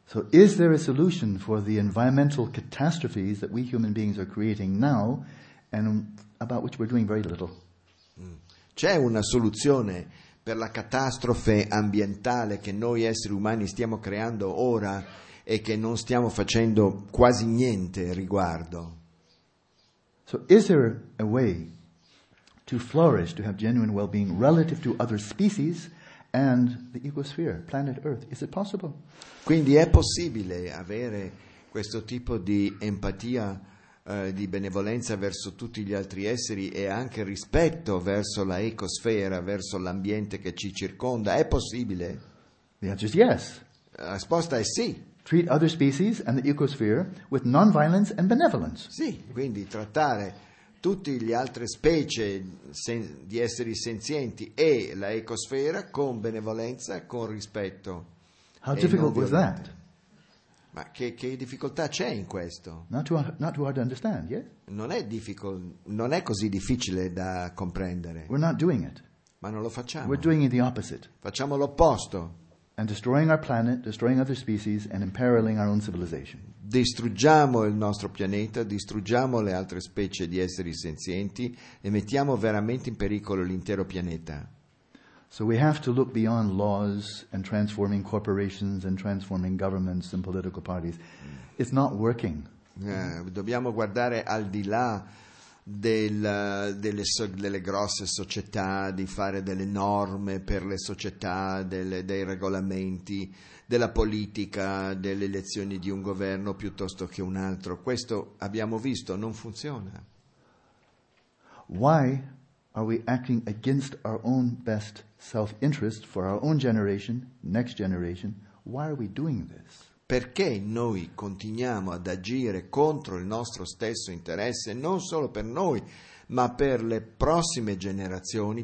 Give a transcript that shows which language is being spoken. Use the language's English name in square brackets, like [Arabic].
[English] So is there a solution for the environmental catastrophes that we human beings are creating now and about which we're doing very little? [Italian] C'è una soluzione per la catastrofe ambientale che noi esseri umani stiamo creando ora e che non stiamo facendo quasi niente riguardo. [English] So is there a way to flourish, to have genuine well-being relative to other species and the ecosphere, planet Earth? Is it possible? [Italian] Quindi è possibile avere questo tipo di empatia, di benevolenza verso tutti gli altri esseri e anche rispetto verso la ecosfera, verso l'ambiente che ci circonda? È possibile? [English] The answer is yes. [Italian] La risposta è sì. [English] Treat other species and the ecosphere with non-violence and benevolence. [Italian] Sì, quindi trattare tutte le altre specie di esseri senzienti e la ecosfera con benevolenza, con rispetto. [English] How difficult was that? [Italian] Ma che difficoltà c'è in questo? [English] Not too hard to understand, yeah? [Italian] Non è così difficile da comprendere. [English] We're not doing it. [Italian] Ma non lo facciamo. [English] We're doing it the opposite. [Italian] Facciamo l'opposto. [English] And destroying our planet, destroying other species, and imperiling our own civilization. [Italian] Distruggiamo il nostro pianeta, distruggiamo le altre specie di esseri senzienti e mettiamo veramente in pericolo l'intero pianeta. [English] So we have to look beyond laws and transforming corporations and transforming governments and political parties. It's not working. [Italian] Dobbiamo guardare al di là delle grosse società, di fare delle norme per le società, dei regolamenti, della politica, delle elezioni di un governo piuttosto che un altro. Questo abbiamo visto, non funziona. [English] Why are we acting against our own best self-interest for our own generation, next generation? Why are we doing this? [Italian] Perché noi continuiamo ad agire contro il nostro stesso interesse, non solo per noi, ma per le prossime generazioni?